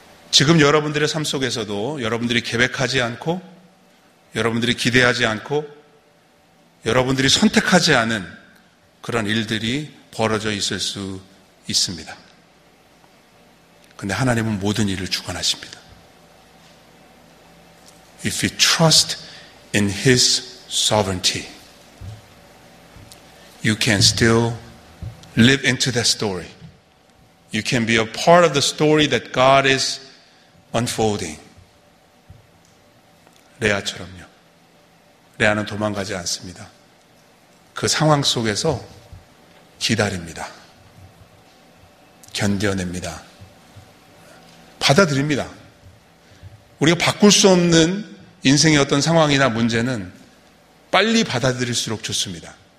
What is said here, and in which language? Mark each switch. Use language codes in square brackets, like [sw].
[ko] 지금 여러분들의 삶 속에서도 여러분들이 계획하지 않고 여러분들이 기대하지 않고 여러분들이 선택하지 않은 그런 일들이 벌어져 있을 수 있습니다. 근데 하나님은 모든 일을 주관하십니다. [en] If you trust in His sovereignty, you can still live into that story. You can be a part of the story that God is unfolding. [ko] 레아처럼요. 레아는 도망가지 않습니다. 그 상황 속에서 기다립니다. 견뎌냅니다. 받아들입니다. 우리가 바꿀 수 없는 인생의 어떤 상황이나 문제는 빨리 받아들일수록 좋습니다.